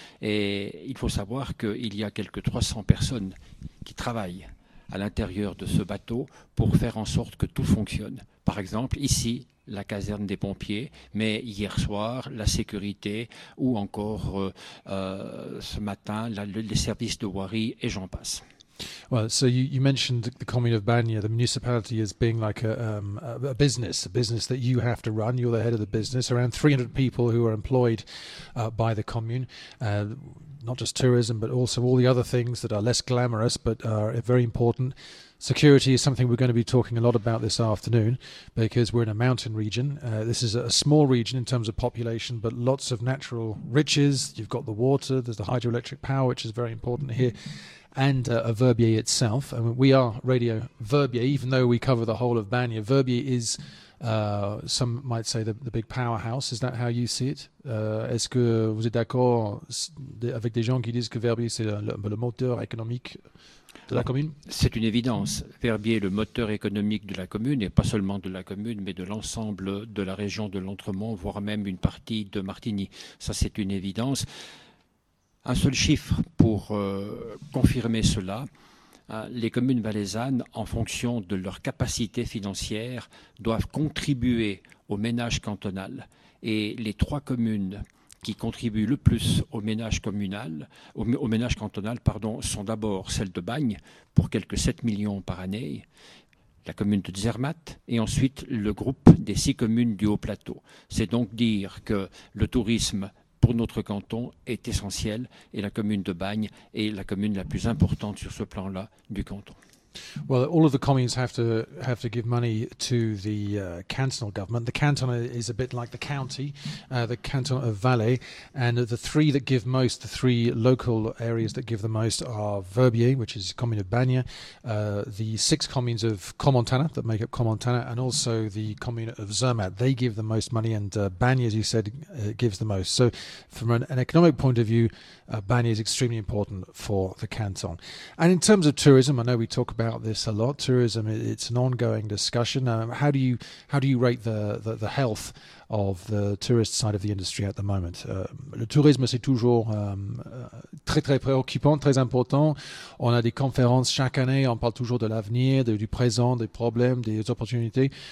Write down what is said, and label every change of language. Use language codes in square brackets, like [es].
[fr] Et il faut savoir qu'il y a quelque 300 personnes qui travaillent à l'intérieur de ce bateau pour faire en sorte que tout fonctionne. Par exemple, ici, la caserne des pompiers, mais hier soir, la sécurité, ou encore ce matin, les services de voirie, et j'en passe. [en] Well, so you mentioned the commune of Bagnes, the municipality, as being like a business that you have to run. You're the head of the business. Around 300 people who are employed by the commune, not just tourism, but also all the other things that are less glamorous, but are very important. Security is something we're going to be talking a lot about this afternoon, because we're in a mountain region. This is a small region in terms of population, but lots of natural riches. You've got the water, there's the hydroelectric power, which is very important here. And a Verbier itself. I mean, we are Radio Verbier, even though we cover the whole of Bagnes. Verbier is, some might say, the big powerhouse. Is that how you see it? [fr] Est-ce que vous êtes d'accord avec des gens qui disent que Verbier c'est le moteur économique de la commune? C'est une évidence. Verbier est le moteur économique de la commune, et pas seulement de la commune, mais de l'ensemble de la région de l'Entremont, voire même une partie de Martigny. Ça, c'est une évidence. Un seul chiffre pour confirmer cela, les communes valaisannes, en fonction de leur capacité financière, doivent contribuer au ménage cantonal. Et les trois communes qui contribuent le plus au ménage communal, au ménage cantonal, pardon, sont d'abord celle de Bagnes, pour quelque 7 millions par année, la commune de Zermatt, et ensuite le groupe des six communes du Haut-Plateau. C'est donc dire que le tourisme pour notre canton est essentiel, et la commune de Bagnes est la commune la plus importante sur ce plan-là du canton. [en] Well, all of the communes have to give money to the cantonal government. The canton is a bit like the county, the canton of Valais, and the three that give most, the three local areas that give the most, are Verbier, which is commune of Bagnes, the six communes of Comontana that make up Comontana, and also the commune of Zermatt. They give the most money, and Bagnes, as you said, gives the most. So from an economic point of view, Bagnes is extremely important for the canton. And in terms of tourism, I know we talk about this a lot. Tourism, it's an ongoing discussion. How do you rate the health of the tourist side of the industry at the moment? [fr] Le tourisme, c'est toujours très très préoccupant, très important. On a des conférences chaque année, on parle toujours de l'avenir, du présent, des problèmes, des opportunités.